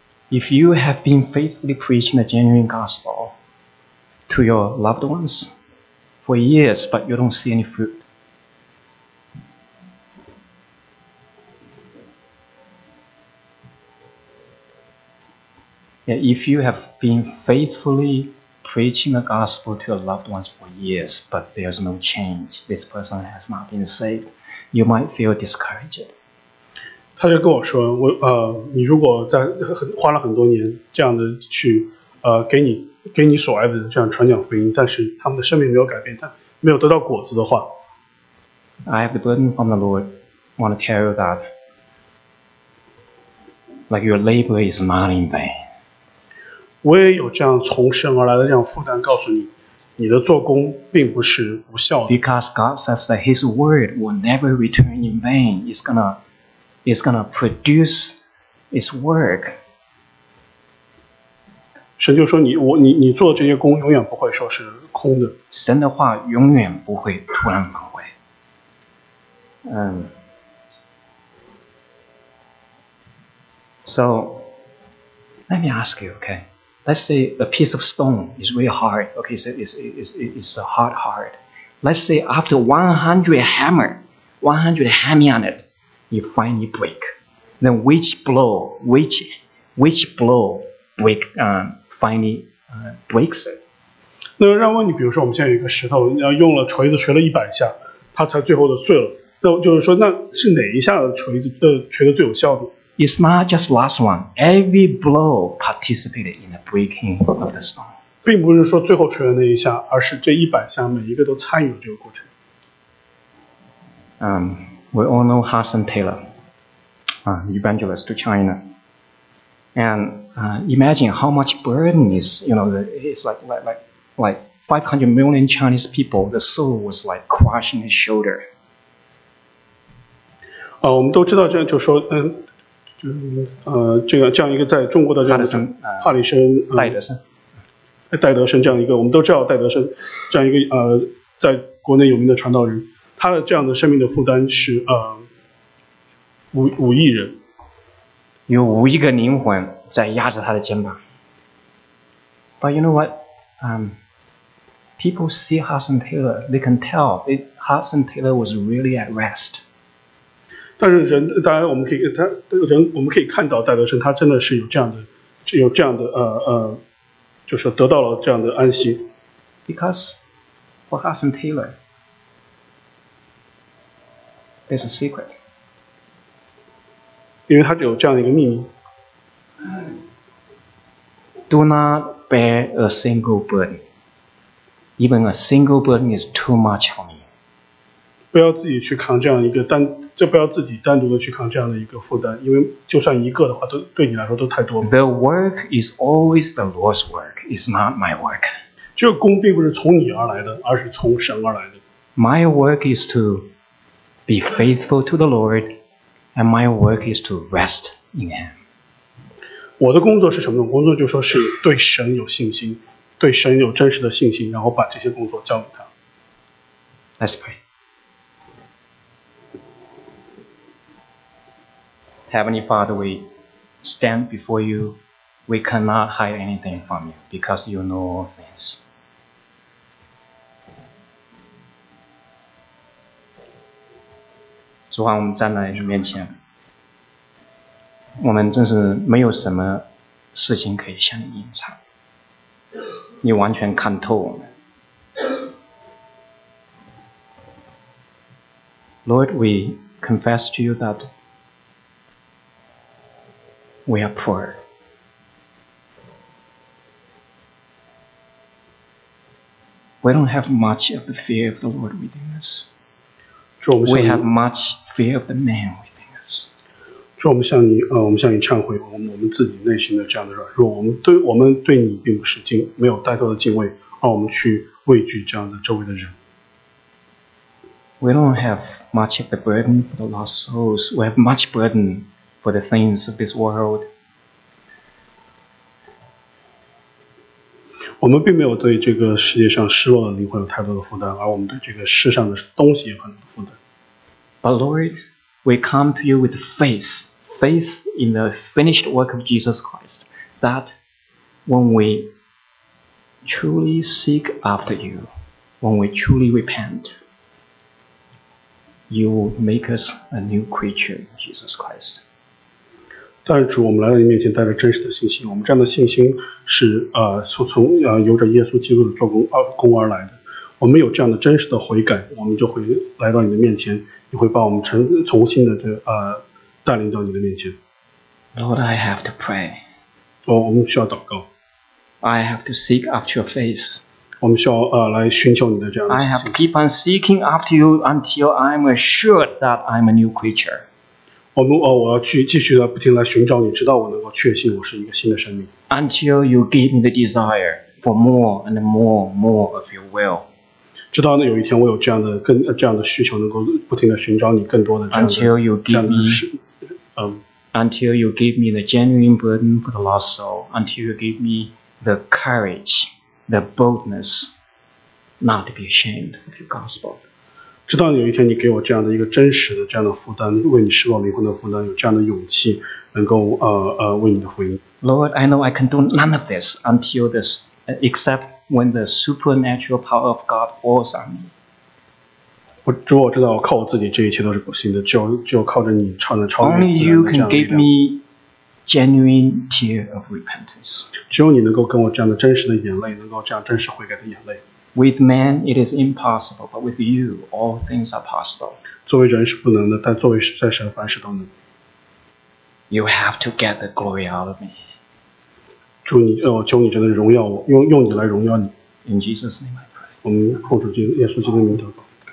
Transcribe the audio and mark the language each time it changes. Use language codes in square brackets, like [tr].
[en] If you have been faithfully preaching the genuine gospel to your loved ones for years, but you don't see any fruit, yeah, if you have been faithfully preaching the gospel to your loved ones for years, but there's no change, this person has not been saved, you might feel discouraged. [zh] 他就跟我说，我你如果在很花了很多年这样的去给你所爱的这样传讲福音，但是他们的生命没有改变，他没有得到果子的话。 [en] I have the burden from the Lord. I want to tell you that, like your labor is not in vain. [zh] 我也有这样从神而来的这样负担，告诉你，你的做工并不是无效的。 [en] Because God says that His word will never return in vain. It's gonna produce its work. [zh] 神就说你做这些工永远不会说是空的。神的话永远不会突然返回。 [en] So, let me ask you, okay? Let's say a piece of stone is really hard. Okay, so it's a hard heart. Let's say after 100 hammer on it,you finally break. Then which blow finally breaks it? [zh] 那让问你，比如说我们现在有一个石头，要用了锤子锤了100下，它才最后的碎了。那就是说，那是哪一下的锤的最有效的？ [en] It's not just last one. Every blow participated in the breaking of the stone. [zh] 并不是说最后锤的那一下，而是这100下每一个都参与了这个过程。 [en] We all know Hudson Taylor, evangelist to China. And imagine how much burden is, you know, it's like 500 million Chinese people, the soul was like crushing his shoulder. [zh] 我们都知道这样就说，这样一个在中国的这样的帕里森，戴德森，戴德森这样一个，我们都知道戴德森这样一个在国内有名的传道人。他的这样的生命的负担是5亿人，有5亿个灵魂在压着他的肩膀。 [en] But you know what? People see Hudson Taylor, they can tell it. Hudson Taylor was really at rest. [zh] 但是人，当然我们可以他人，我们可以看到戴德森，他真的是有这样的就是得到了这样的安息。 [en] Because for Hudson Taylor. It's a secret. [zh] 因为他有这样一个秘密。 [en] Do not bear a single burden. Even a single burden is too much for me. [zh] 不要自己去扛这样一个单，就不要自己单独的去扛这样的一个负担，因为就算一个的话，都对你来说都太多了。 [en] The work is always the Lord's work. It's not my work. [zh] 这个工并不是从你而来的，而是从神而来的。 [en] My work is to. Be faithful to the Lord, and my work is to rest in Him. [zh] 我的工作是什么呢？工作就是说是对神有信心，对神有真实的信心，然后把这些工作交给他。 [en] Let's pray. Heavenly Father, we stand before you. We cannot hide anything from you because you know all things. [zh] 主啊，我们站在你面前，我们真是没有什么事情可以向你隐藏，你完全看透我们。 [en] Lord, we confess to you that we are poor. We don't have much of the fear of the Lord within us. We have much fear of the man within us. [zh] 主，我们向你忏悔，我们自己内心的这样的软弱。我们对你并不是没有太多的敬畏，而我们去畏惧这样的周围的人。 [en] We don't have much of the burden for the lost souls. We have much burden for the things of this world. [zh] 我们并没有对这个世界上失落的灵魂有太多的负担，而我们对这个世上的东西有很多的负担。 [en] But Lord, we come to you with faith, faith in the finished work of Jesus Christ, that when we truly seek after you, when we truly repent, you will make us a new creature, Jesus Christ. [zh] 但是主，我们来到你面前带着真实的信心，我们这样的信心是由着耶稣基督的做工而来的。我们有这样的真实的悔改，我们就会来到你的面前，你会把我们重新的带领到你的面前。 [en] Lord, I have to pray. [zh] 我们需要祷告。 [en] I have to seek after your face. [zh] 我们需要来寻求你的这样的信心。 [en] I have to keep on seeking after you until I'm assured that I'm a new creature. [zh] 我要继续的不停来寻找你，直到我能够确信我是一个新的生命。 [en] Until you give me the desire for more and more, more of your will. [zh] 直到有一天我有这样的需求，能够不停的寻找你更多的这样的。 [en] Until you give me the genuine burden for the lost soul. Until you give me the courage, the boldness, not to be ashamed of your gospel. [zh] 直到有一天你给我这样的一个真实的这样的负担，为你失落灵魂的负担，有这样的勇气能够为你的福音。 [en] Lord, I know I can do none of this until this, except when the supernatural power of God falls on me. [zh] 主，我知道我靠我自己这一切都是不行的，就靠着你超能超能。 [en] Only you can give me genuine tear of repentance. [zh] 只有你能够跟我这样的真实的眼泪，能够这样真实悔改的眼泪。 [en] With man, it is impossible, but with you, all things are possible. [zh] 作为人是不能的，但作为在神凡事都能。 [en] You have to get the glory out of me. [zh] 主你，我求你真的荣耀我，用你来荣耀你。 [en] In Jesus' name I pray. [zh] 我们奉主耶稣基督的名祷告。